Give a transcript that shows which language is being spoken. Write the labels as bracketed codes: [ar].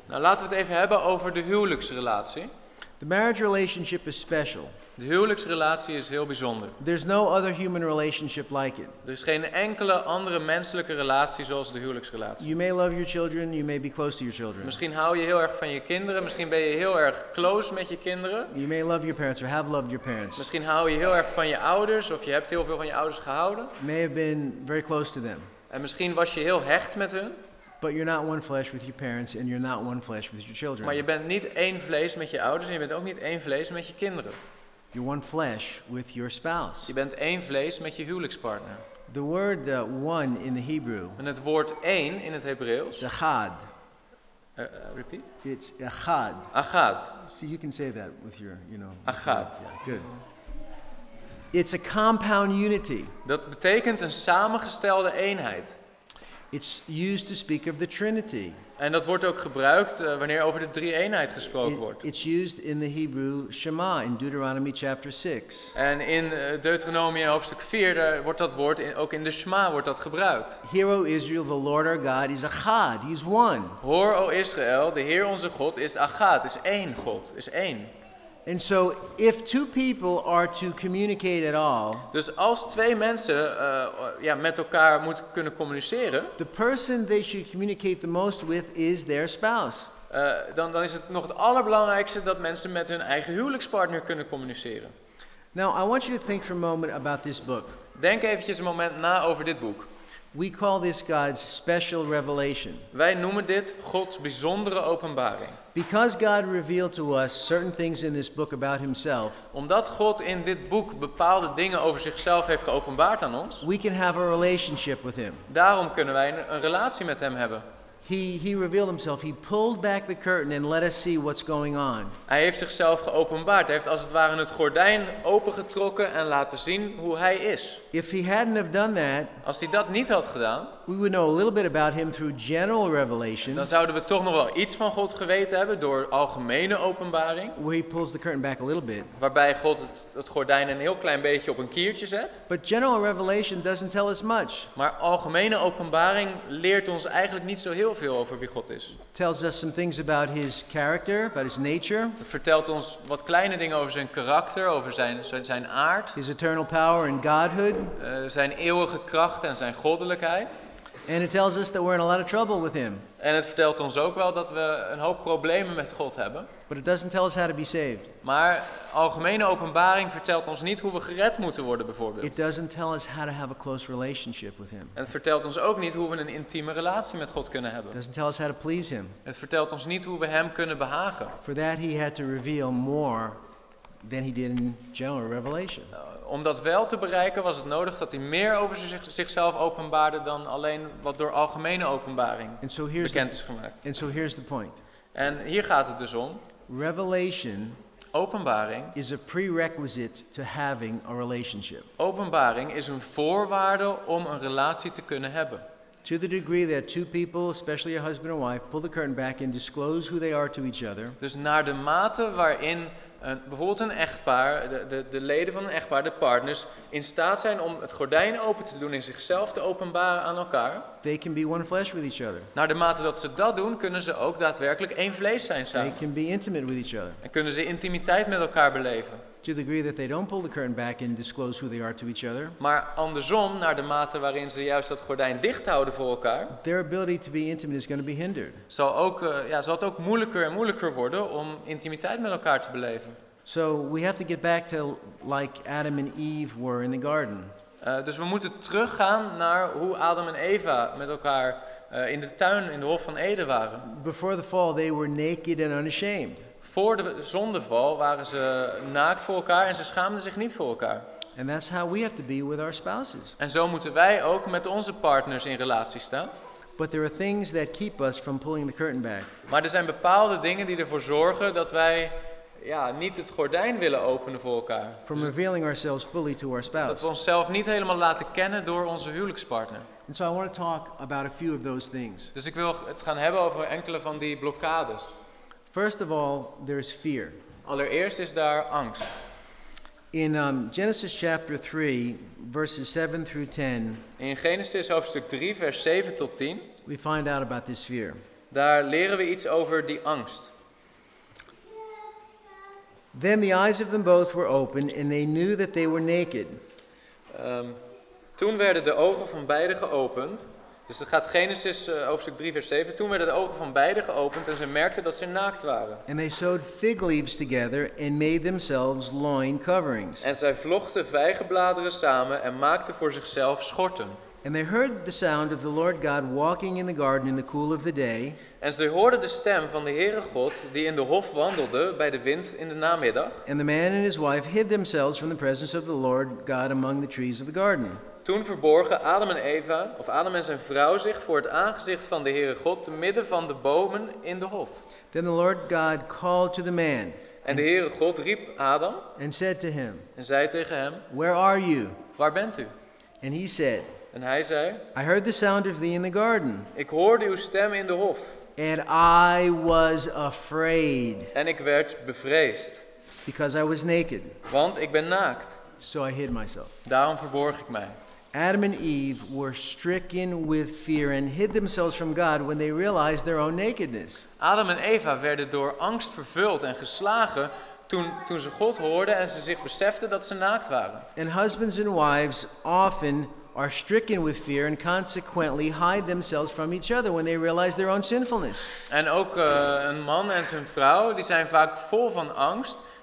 [nl] Nou, laten we het even hebben over de huwelijksrelatie. [en] The marriage relationship is special. [nl] De huwelijksrelatie is heel bijzonder. [en] There's no other human relationship like it. [nl] Er is geen enkele andere menselijke relatie zoals de huwelijksrelatie. [en] You may love your children, you may be close to your children. [nl] Misschien hou je heel erg van je kinderen, misschien ben je heel erg close met je kinderen. [en] You may love your parents or have loved your parents. [nl] Misschien hou je heel erg van je ouders of je hebt heel veel van je ouders gehouden. [en] May have been very close to them. [nl] En misschien was je heel hecht met hun. [en] But you're not one flesh with your parents and you're not one flesh with your children. [nl] Maar je bent niet één vlees met je ouders en je bent ook niet één vlees met je kinderen. [en] You're one flesh with your spouse. [nl] Je bent één vlees met je huwelijkspartner. [en] The word one in the Hebrew. [nl] En het woord één in het Hebreeuws. [he] Echad. [en] Repeat. It's echad. [he] Echad. [en] See, you can say that with your, you know. [he] Echad. [en] Yeah, good. It's a compound unity. [nl] Dat betekent een samengestelde eenheid. [en] It's used to speak of the Trinity. [nl] En dat wordt ook gebruikt wanneer over de drie-eenheid gesproken wordt. [en] It's used in the Hebrew Shema in Deuteronomy chapter 6. [nl] En in Deuteronomie hoofdstuk 4 wordt dat woord ook in de Shema wordt dat gebruikt. [en] Hear, O Israel, the Lord our God is Echad, He is one. [nl] Hoor, O Israël, de Heer onze God is Echad, is één God, is één. [en] And so if two people are to communicate at all, [nl] dus als twee mensen met elkaar moeten kunnen communiceren, [en] the person they should communicate the most with is their spouse. [nl] Dan is het nog het allerbelangrijkste dat mensen met hun eigen huwelijkspartner kunnen communiceren. [en] Now I want you to think for a moment about this book. [nl] Denk eventjes een moment na over dit boek. [en] We call this God's special revelation. [nl] Wij noemen dit Gods bijzondere openbaring. [en] Because God revealed to us certain things in this book about himself. [nl] Omdat God in dit boek bepaalde dingen over zichzelf heeft geopenbaard aan ons. [en] We can have a relationship with him. [nl] Daarom kunnen wij een relatie met hem hebben. [en] He revealed himself. He pulled back the curtain and let us see what's going on. [nl] Hij heeft zichzelf geopenbaard. Hij heeft als het ware het gordijn opengetrokken en laten zien hoe hij is. [en] If he hadn't have done that, [nl] als hij dat niet had gedaan, [en] we would know a little bit about him through general revelation. [nl] Dan zouden we toch nog wel iets van God geweten hebben door algemene openbaring. [en] Where he pulls the curtain back a little bit. [nl] Waarbij God het gordijn een heel klein beetje op een kiertje zet. [en] But general revelation doesn't tell us much. [nl] Maar algemene openbaring leert ons eigenlijk niet zo heel veel over wie God is. [en] Tells us some things about his character, about his nature. [nl] Het vertelt ons wat kleine dingen over zijn karakter, over zijn aard. [en] His eternal power and godhood. [nl] Zijn eeuwige kracht en zijn goddelijkheid. [en] And it tells us that we're in a lot of trouble with him. [nl] En het vertelt ons ook wel dat we een hoop problemen met God hebben. [en] But it doesn't tell us how to be saved. [nl] Maar algemene openbaring vertelt ons niet hoe we gered moeten worden, bijvoorbeeld. [en] It doesn't tell us how to have a close relationship with him. [nl] En het vertelt ons ook niet hoe we een intieme relatie met God kunnen hebben. [en] It doesn't tell us how to please him. [nl] Het vertelt ons niet hoe we hem kunnen behagen. [en] For that he had to reveal more than he did in general revelation. [nl] Om dat wel te bereiken was het nodig dat hij meer over zichzelf openbaarde dan alleen wat door algemene openbaring bekend is gemaakt. [en] And so here's the point. [nl] En hier gaat het dus om. [en] Revelation, [nl] openbaring, [en] is a prerequisite to having a relationship. [nl] Openbaring is een voorwaarde om een relatie te kunnen hebben. [en] To the degree that two people, especially a husband and wife, pull the curtain back and disclose who they are to each other. [nl] Dus naar de mate waarin bijvoorbeeld een echtpaar, de leden van een echtpaar, de partners, in staat zijn om het gordijn open te doen en zichzelf te openbaren aan elkaar. [en] They can be one flesh with each other. [nl] Naar de mate dat ze dat doen, kunnen ze ook daadwerkelijk één vlees zijn samen. [en] They can be intimate with each other. [nl] En kunnen ze intimiteit met elkaar beleven. [en] To the degree that they don't pull the curtain back and disclose who they are to each other. [nl] Maar andersom, naar de mate waarin ze juist dat gordijn dicht houden voor elkaar. [en] Their ability to be intimate is going to be hindered. [nl] Zal het ook moeilijker en moeilijker worden om intimiteit met elkaar te beleven. [en] So we have to get back to like Adam and Eve were in the garden. [nl] Dus we moeten teruggaan naar hoe Adam en Eva met elkaar in de tuin in de Hof van Eden waren. [en] Before the fall, they were naked and unashamed. [nl] Voor de zondeval waren ze naakt voor elkaar en ze schaamden zich niet voor elkaar. [en] And that's how we have to be with our spouses. [nl] En zo moeten wij ook met onze partners in relatie staan. [en] But there are things that keep us from pulling the curtain back. [nl] Maar er zijn bepaalde dingen die ervoor zorgen dat wij niet het gordijn willen openen voor elkaar. [en] From revealing ourselves fully to our spouse. [nl] Dat we onszelf niet helemaal laten kennen door onze huwelijkspartner. [en] And so I want to talk about a few of those things. [nl] Dus ik wil het gaan hebben over enkele van die blokkades. [en] First of all, there is fear. [nl] Allereerst is daar angst. [en] In Genesis chapter 3, verses 7 through 10. [nl] In Genesis hoofdstuk 3, vers 7 tot 10. [en] We find out about this fear. [nl] Daar leren we iets over die angst. [en] Then the eyes of them both were opened, and they knew that they were naked. [nl] Toen werden de ogen van beiden geopend. Dus het gaat Genesis hoofdstuk 3 vers 7. Toen werden de ogen van beiden geopend en ze merkten dat ze naakt waren. [en] And they sewed fig leaves together and made themselves loin coverings. [nl] En zij vlochten vijgenbladeren samen en maakten voor zichzelf schorten. [en] And they heard the sound of the Lord God walking in the garden in the cool of the day. [nl] En ze hoorden de stem van de Heere God die in de hof wandelde bij de wind in de namiddag. [en] And the man and his wife hid themselves from the presence of the Lord God among the trees of the garden. [nl] Toen verborgen Adam en Eva, of Adam en zijn vrouw, zich voor het aangezicht van de Heere God te midden van de bomen in de hof. [en] Then the Lord God called to the man. [nl] En de Heere God riep Adam. [en] And said to him. [nl] En zei tegen hem. [en] Where are you? [nl] Waar bent u? [en] And he said. [nl] En hij zei. [en] I heard the sound of thee in the garden. [nl] Ik hoorde uw stem in de hof. [en] And I was afraid. [nl] En ik werd bevreesd. [en] Because I was naked. [nl] Want ik ben naakt. [en] So I hid myself. [nl] Daarom verborg ik mij. [en] Adam and Eve were stricken with fear and hid themselves from God when they realized their own nakedness. [nl] Adam en Eva werden door angst vervuld en geslagen toen ze God hoorden en ze zich beseften dat ze naakt waren. [en] And husbands and wives often are stricken with fear and consequently hide themselves from each other when they realize their own sinfulness. [nl] En ook een man en zijn vrouw die zijn vaak vol van angst.